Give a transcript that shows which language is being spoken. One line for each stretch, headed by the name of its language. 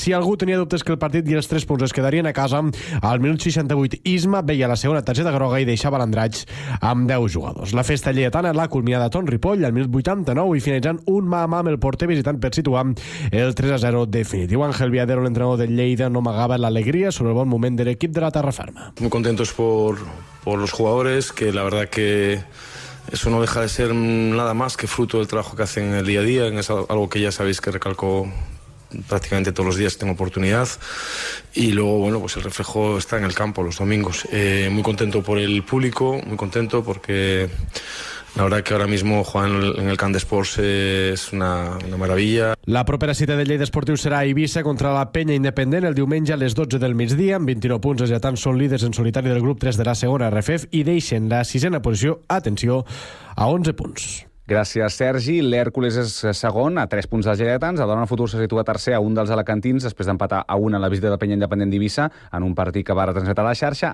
Catalan: Si algú tenia dubtes que el partit i els 3 punts es quedarien a casa, al minut 68 Isma veia la segona targeta groga i deixava l'Andratx amb 10 jugadors. La festa lleidatana l'ha culminat a Ton Ripoll al minut 89 i finalitzant un mà a mà amb el porter visitant per situar el 3-0 definitiu. Ángel Viadero, l'entrenador del Lleida, no amagava l'alegria sobre el bon moment de l'equip de la terra ferma.
Spanish: Muy contentos por los jugadores, que la verdad que eso no deja de ser nada más que fruto del trabajo que hacen el día a día. Es algo que ya sabéis que recalco prácticamente todos los días que tengo oportunidad. Y luego, bueno, pues el reflejo está en el campo los domingos. Muy contento por el público, muy contento porque la verdad que ahora mismo jugar en el Camp de Sports es una maravilla.
Catalan: La propera cita de Lleida Esportiu serà a Eivissa contra la Penya Independent el diumenge a les 12 del migdia. Amb 29 punts, els lleidatans són líders en solitari del grup 3 de la segona RFEF i deixen la 6a posició, atenció, a 11 punts. Gràcies, Sergi. L'Hèrcules és segon, a 3 punts dels lleidatans. El Dona Futur se situa tercer a un dels alacantins després d'empatar a 1 a la visita de Penya Independent d'Eivissa en un partit que va retransmetre a la xarxa.